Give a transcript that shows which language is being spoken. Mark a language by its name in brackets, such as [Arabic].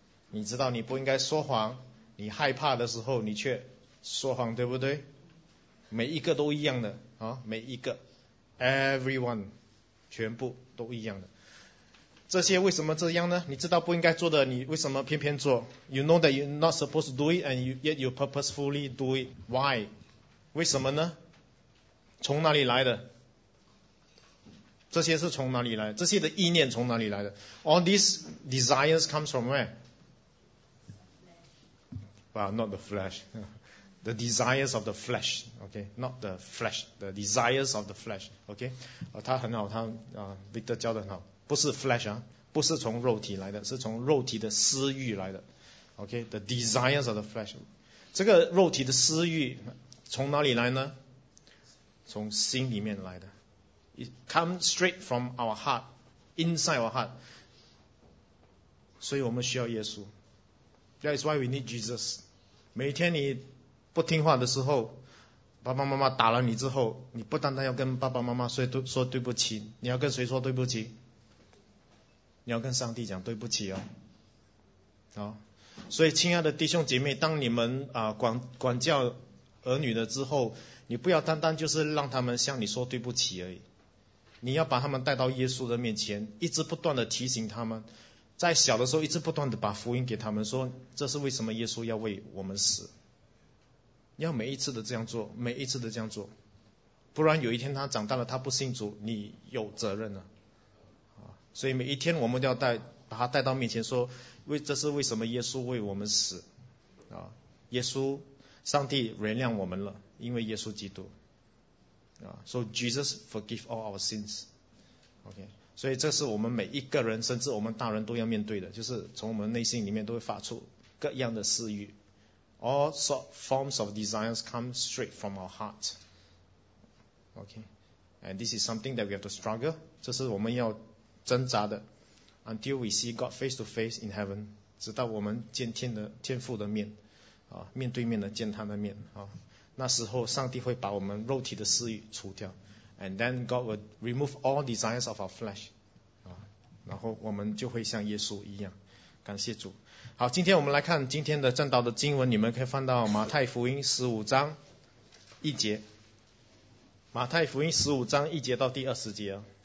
[Chinese] 你知道你不应该说谎，你害怕的时候你却说谎，对不对？每一个都一样的每一个 [English] everyone [Chinese] 全部都一样的。这些为什么这样呢？你知道不应该做的，你为什么偏偏做？ [English] You know that you're not supposed to do it and yet you purposefully do it. Why? [Chinese] 为什么呢？从哪里来的？这些是从哪里来的？这些的意念从哪里来的？ [English] All these desires comes from where? not the flesh. The desires of the flesh. Okay, not the flesh. The desires of the flesh. [Chinese] Okay, 他很好，他Victor 教得很好，不是 [English] flesh [Chinese] 不是从肉体来的，是从肉体的私欲来的。 [English] Okay, the desires of the flesh. [Chinese] 这个肉体的私欲从哪里来呢？从心里面来的。 [English] It comes straight from our heart, inside our heart. [Chinese] 所以我们需要耶稣。 [English] That is why we need Jesus. [Chinese] 每天你不听话的时候，爸爸妈妈打了你之后，你不单单要跟爸爸妈妈说对不起，你要跟谁说对不起？你要跟上帝讲对不起哦。所以亲爱的弟兄姐妹，当你们管教儿女的之后，你不要单单就是让他们向你说对不起而已，你要把他们带到耶稣的面前，一直不断地提醒他们，在小的时候一直不断地把福音给他们说，这是为什么耶稣要为我们死，要每一次的这样做，每一次的这样做，不然有一天他长大了他不信主，你有责任了。所以每一天我们都要把他带到面前说，这是为什么耶稣为我们死，耶稣上帝原谅我们了，因为耶稣基督。 [English] So Jesus forgive all our sins. [Chinese] OK,所以这是我们每一个人甚至我们大人都要面对的，就是从我们内心里面都会发出各样的私欲。 [English] All sort forms of desires come straight from our heart. Okay, and this is something that we have to struggle. [Chinese] 这是我们要挣扎的。 [English] Until we see God face to face in heaven. [Chinese] 直到我们见天父的面面对面的见他的面那时候上帝会把我们肉体的私欲除掉。 [English] And then God will remove all desires of our flesh. [Chinese] 然后我们就会像耶稣一样，感谢主。好，今天我们来看今天的正道的经文，你们可以翻到马太福音十五章一节，马太福音十五章一节到第二十节。